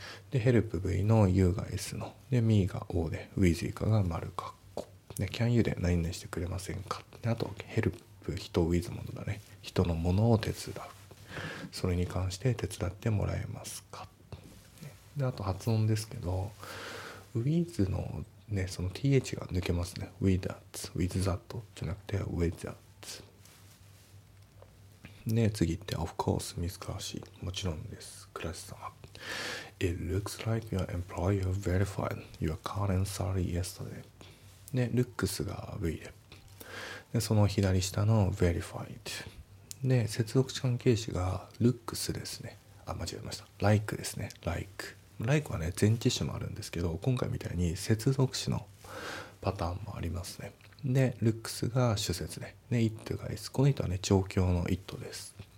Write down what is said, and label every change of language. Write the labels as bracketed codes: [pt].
[ja] で、 help V の U が S ので、 me が O で、 with以下が丸括弧で、 can you で何々してくれませんか。であと help 人、 with ものだね、人のものを手伝う、それに関して手伝ってもらえますか。であと発音ですけど、 with のね、その th が抜けますね。 with that、 with that じゃなくて with that。で、次行って、 [en] of course Miss Krashi、 [ja] もちろんです、 Krashi 様。 [en] It looks like your employer verified your current salary yesterday。 [ja] で、 looks が v で、でその左下の verified で接続詞関係詞が looks ですね。あ、間違えました。like ですね。 like はね前置詞もあるんですけど、今回みたいに接続詞のパターンもありますね。で looks が主節で、ね、it が s、 この it はね状況の it です。